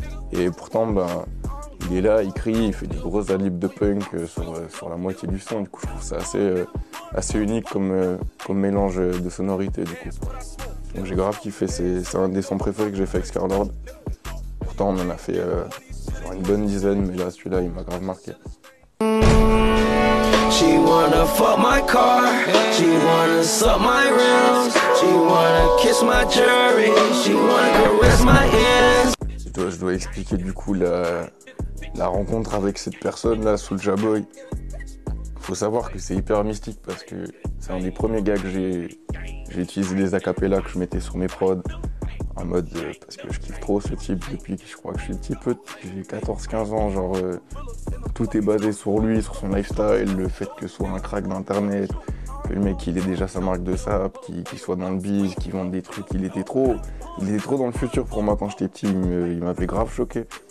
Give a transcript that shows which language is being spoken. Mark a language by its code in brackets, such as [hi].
[fr] Et pourtant, ben, il est là, il crie, il fait des grosses alibes de punk sur la moitié du son. Du coup, je trouve ça assez unique comme mélange de sonorités, du coup. Donc j'ai grave kiffé, c'est un des sons préférés que j'ai fait avec Scarlord. Pourtant, on en a fait une bonne dizaine, mais là, celui-là, il m'a grave marqué. [en] She wanna fuck my car, she wanna suck my rims, she wanna kiss my jewelry, she wanna caress my hands. [fr] Je dois expliquer du coup la rencontre avec cette personne là, Soulja Boy. Faut savoir que c'est hyper mystique, parce que c'est un des premiers gars que j'ai utilisé des acapella que je mettais sur mes prods. En mode, parce que je kiffe trop ce type depuis que je crois que je suis petit peu, j'ai 14-15 ans, genre tout est basé sur lui, sur son lifestyle, le fait que ce soit un crack d'internet, que le mec il ait déjà sa marque de sap, qu'il soit dans le biz, qu'il vende des trucs, il était trop dans le futur pour moi quand j'étais petit, il m'avait grave choqué.